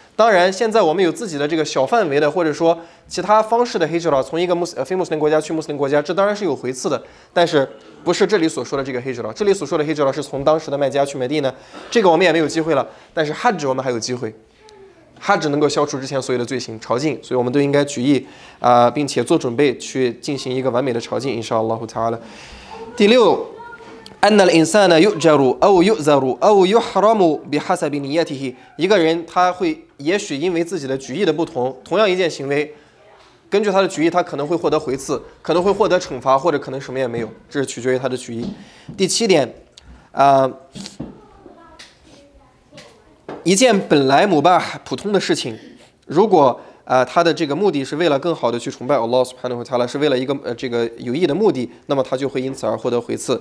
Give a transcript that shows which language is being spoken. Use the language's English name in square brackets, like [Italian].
[Chinese] 当然现在我们有自己的这个小范围的或者说其他方式的 Hijra， 从一个非穆斯林国家去穆斯林国家，这当然是有回次的，但是不是这里所说的这个 Hijra。这里所说的 Hijra 是从当时的麦加去麦地那，这个我们也没有机会了，但是 Hajj 我们还有机会。 Hajj 能够消除之前所有的罪行朝觐，所以我们都应该举意、并且做准备去进行一个完美的朝觐 Inshallah Ta'ala。第六， [Arabic] أن الإنسان يؤجر أو يؤذر أو يحرم بحسب نيته。 [Chinese] 一个人他会也许因为自己的举意的不同，同样一件行为，根据他的举意，他可能会获得回赐，可能会获得惩罚，或者可能什么也没有，这是取决于他的举意。第七点，一件本来母巴普通的事情，如果他的这个目的是为了更好的去崇拜 Allah Subhanahu wa Ta'ala， 是为了一个这个有益的目的，那么他就会因此而获得回赐。